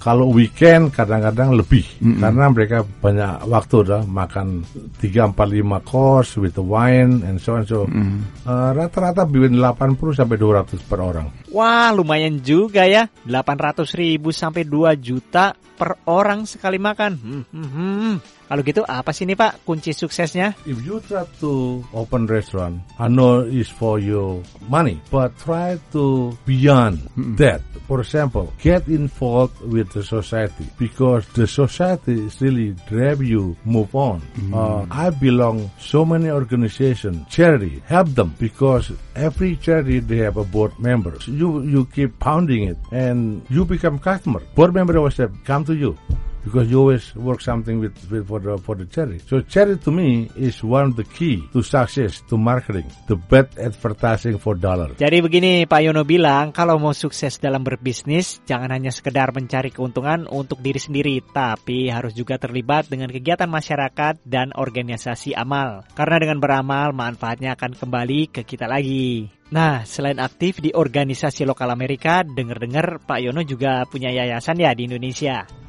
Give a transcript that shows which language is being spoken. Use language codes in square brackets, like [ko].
[id] Kalau weekend, kadang-kadang lebih. Mm-hmm. Karena mereka banyak waktu dah makan 3-4-5 [en] course with the wine and so on. [id] So, rata-rata between 80-200 per orang. Wah, lumayan juga ya. 800 ribu sampai 2 juta per orang sekali makan. Kalau gitu, apa sih nih, Pak, kunci suksesnya? [en] If you try to open restaurant, I know it's for your money, but try to beyond that. For example, get involved with the society, because the society is really drive you move on. I belong so many organizations, charity, help them, because every charity, they have a board member. So you keep pounding it, and you become customer. Board member always said, come to you. Because you always work something with for the charity. So charity to me is one of the key to success, to marketing, to bad advertising for dollar. [id] Jadi begini, Pak Yono bilang, kalau mau sukses dalam berbisnis, jangan hanya sekedar mencari keuntungan untuk diri sendiri, tapi harus juga terlibat dengan kegiatan masyarakat dan organisasi amal. Karena dengan beramal, manfaatnya akan kembali ke kita lagi. Nah, selain aktif di organisasi lokal Amerika, dengar-dengar Pak Yono juga punya yayasan ya di Indonesia.